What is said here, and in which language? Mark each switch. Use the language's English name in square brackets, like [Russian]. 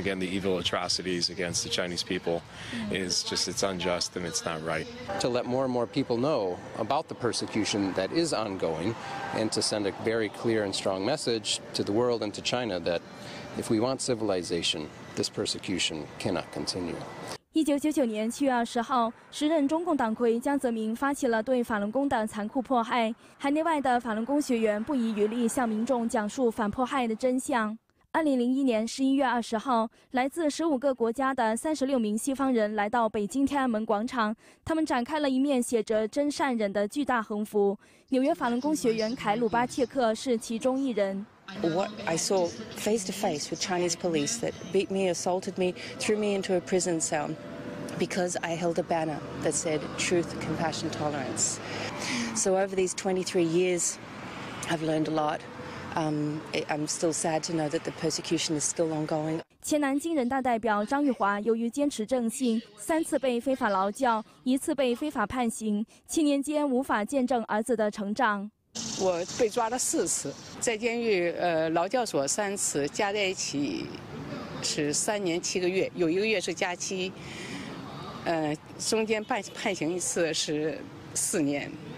[English] Again, the evil atrocities against the Chinese people is just, it's unjust and it's not right. To let more and more people know about the persecution that is ongoing and to send a very clear and strong message to the world and to China that if we want civilization, this persecution cannot continue. [Chinese] 1999年7月20号，时任中共党魁江泽民发起了对法轮功的残酷迫害，海内外的法轮功学员不遗余力向民众讲述反迫害的真相。 2001年11月20号，来自15个国家的36名西方人来到北京天安门广场，他们展开了一面写着“真善忍”的巨大横幅。纽约法轮功学员凯鲁巴切克是其中一人。 [English] What I saw face to face with Chinese police that beat me, assaulted me, threw me into a prison cell because I held a banner that said truth, compassion, tolerance. So over these 23 years, I've learned a lot. I'm still sad to know that the persecution is still ongoing. [Chinese] 前南京人大代表张玉华由于坚持正信，三次被非法劳教，一次被非法判刑，7年间无法见证儿子的成长。我被抓了4次，在监狱劳教所3次，加在一起是3年7个月，有一个月是假期，中间判刑一次是4年。